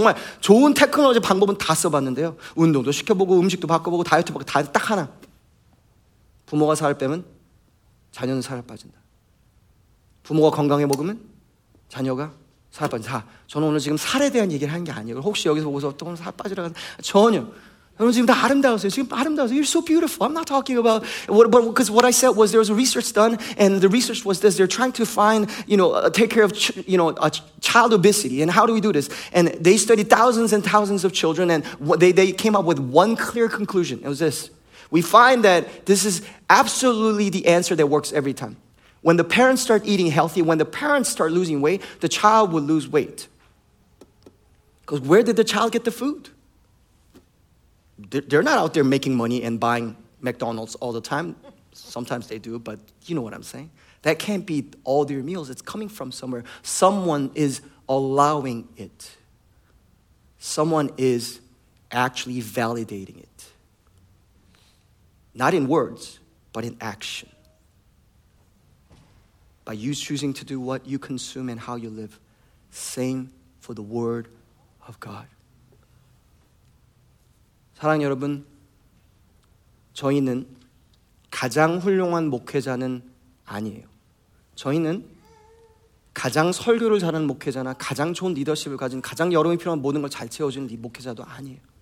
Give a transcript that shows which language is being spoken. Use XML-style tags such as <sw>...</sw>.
<ko>정말 좋은 테크놀로지 방법은 다 써봤는데요. 운동도 시켜보고 음식도 바꿔보고 다이어트 바꿔 다 딱 하나. 부모가 살을 빼면 자녀는 살을 빠진다. 부모가 건강해 먹으면 자녀가 살을 빠진다. 저는 오늘 지금 살에 대한 얘기를 하는 게 아니에요. 혹시 여기서 보고서 어떤 살 빠지라고 하는 전혀. 여러분 지금 다 아름다웠어요. 지금 아름다웠어요.</ko> <en>You're so beautiful. I'm not talking about because what I said was there was a research done and the research was this. They're trying to find, you know, take care of, you know, a child obesity. And how do we do this? And they studied thousands and thousands of children and they came up with one clear conclusion. It was this. We find that this is absolutely the answer that works every time. When the parents start eating healthy, when the parents start losing weight, the child will lose weight. Because where did the child get the food? They're not out there making money and buying McDonald's all the time. Sometimes they do, but you know what I'm saying. That can't be all their meals. It's coming from somewhere. Someone is allowing it. Someone is actually validating it. Not in words, but in action. By you choosing to do what you consume and how you live, same for the word of God.</en> <ko>사랑 여러분, 저희는 가장 훌륭한 목회자는 아니에요. 저희는 가장 설교를 잘하는 목회자나 가장 좋은 리더십을 가진 가장 여러분이 필요한 모든 걸 잘 채워주는 목회자도 아니에요.</ko>